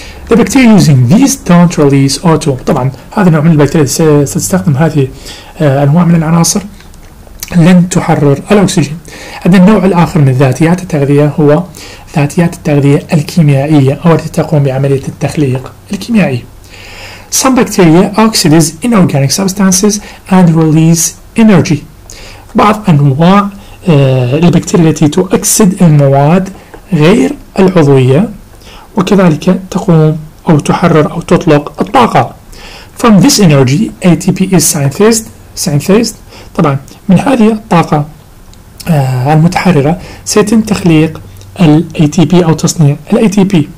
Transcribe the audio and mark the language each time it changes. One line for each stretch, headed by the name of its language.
English: The bacteria using these don't release auto.
Arabic: طبعا هذا نوع من البكتيريا ستستخدم هذه أنواع من العناصر، لن تحرر الأكسجين. هذا النوع الآخر من ذاتيات التغذية هو ذاتيات التغذية الكيميائية أو التي تقوم بعملية التخليق الكيميائي.
English: Some bacteria oxidize inorganic substances and release energy.
Arabic: بعض أنواع البكتيريا التي تؤكسد المواد غير العضوية وكذلك تقوم أو تحرر أو تطلق الطاقة.
English: From this energy ATP is synthesized.
Arabic: طبعا من هذه الطاقة المتحررة سيتم تخليق الـ ATP أو تصنيع الـ ATP.